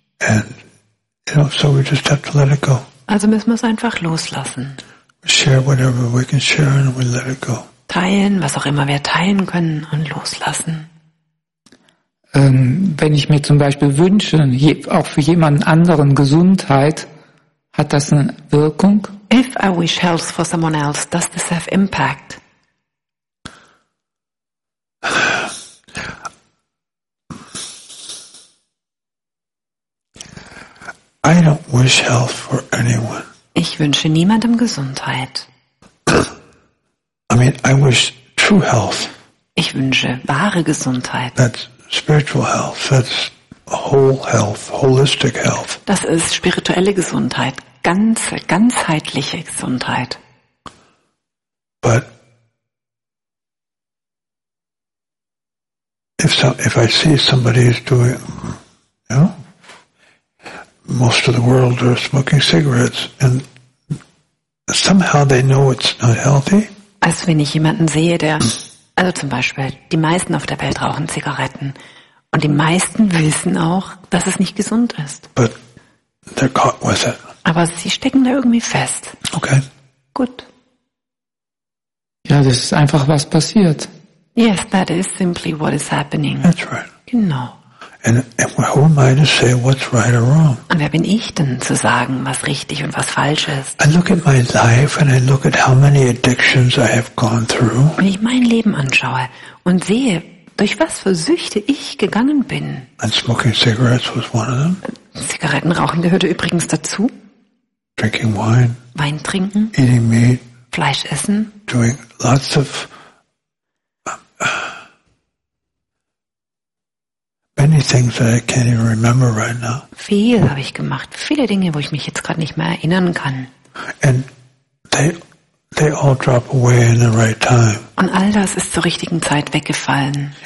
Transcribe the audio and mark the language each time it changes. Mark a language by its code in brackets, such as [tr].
[en] And, you know, so we just have to let it go. [de] Also müssen wir es einfach loslassen. [en] Share whatever we can share and we let it go. [de] Teilen, was auch immer wir teilen können, und loslassen. Wenn ich mir zum Beispiel wünsche, auch für jemanden anderen Gesundheit, hat das eine Wirkung? [en] If I wish health for someone else, does this have impact? I don't wish health for anyone. [de] Ich wünsche niemandem Gesundheit. [en] I mean, I wish true health. [de] Ich wünsche wahre Gesundheit. [en] That's spiritual health. That's whole health, holistic health. [de] Das ist spirituelle Gesundheit, ganzheitliche Gesundheit. [en] But if I see somebody is doing, you know, most of the world are smoking cigarettes, and somehow they know it's not healthy. [de] Also wenn ich jemanden sehe, der, also zum Beispiel, die meisten auf der Welt rauchen Zigaretten, und die meisten wissen auch, dass es nicht gesund ist. [en] But they're caught with it. [de] Aber sie stecken da irgendwie fest. [en] Okay. [de] Gut. Ja, das ist einfach, was passiert. [en] Yes, that is simply what is happening. That's right. [de] Genau. [en] And who am I to say what's right or wrong? [de] Und wer bin ich denn zu sagen, was richtig und was falsch ist? [en] I look at my life and I look at how many addictions I have gone through. [de] Wenn ich mein Leben anschaue und sehe, durch was für Süchte ich gegangen bin. [en] And smoking cigarettes was one of them. [de] Zigarettenrauchen gehörte übrigens dazu. [en] Drinking wine. [de] Wein trinken. [en] Eating meat. [de] Fleisch essen. [en] Doing lots of many things that I can't even remember right now. [de] Viel habe ich gemacht. Viele Dinge, wo ich mich jetzt gerade nicht mehr erinnern kann. [en] And they all drop away in the right time. [de] Und all das ist zur richtigen Zeit weggefallen.